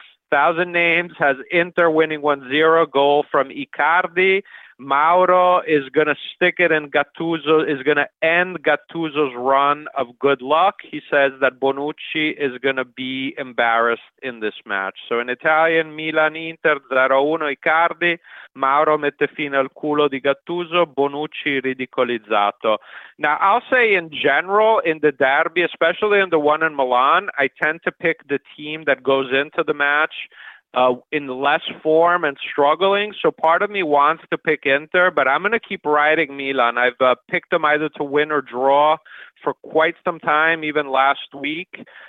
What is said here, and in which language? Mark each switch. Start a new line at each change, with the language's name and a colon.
English: Thousand Names has Inter winning 1-0, goal from Icardi. Mauro is going to stick it in Gattuso, is going to end Gattuso's run of good luck. He says that Bonucci is going to be embarrassed in this match.
Italian: So in Italian, Milan-Inter, 0-1 Icardi, Mauro mette fine al culo di Gattuso, Bonucci ridicolizzato.
English: Now, I'll say in general, in the derby, especially in the one in Milan, I tend to pick the team that goes into the match in less form and struggling. So part of me wants to pick Inter, but I'm going to keep riding Milan. I've picked them either to win or draw for quite some time, even last week.